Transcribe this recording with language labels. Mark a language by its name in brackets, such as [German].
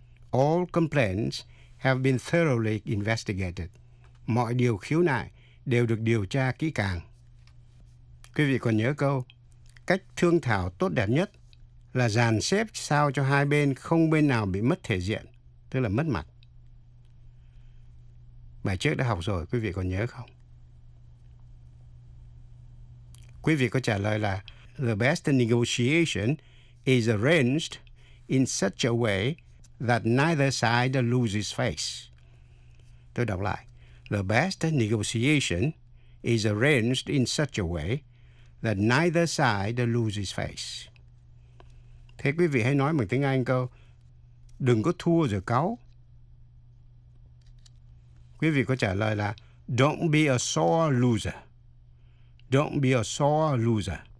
[English] All complaints have been thoroughly investigated. [Vietnamese] Mọi điều khiếu nại đều được điều tra kỹ càng. Quý vị còn nhớ câu Cách thương thảo tốt đẹp nhất là dàn xếp sao cho hai bên không bên nào bị mất thể diện, tức là mất mặt. Bài trước đã học rồi, quý vị còn nhớ không? Quý vị có trả lời là [English] The best negotiation is arranged in such a way that neither side loses face. [Vietnamese] Tôi đọc lại. [English] The best negotiation is arranged in such a way that neither side loses face. [Vietnamese] Thế quý vị hãy nói bằng tiếng Anh câu Đừng có thua rồi cáu. Quý vị có trả lời là [English] Don't be a sore loser. Don't be a sore loser.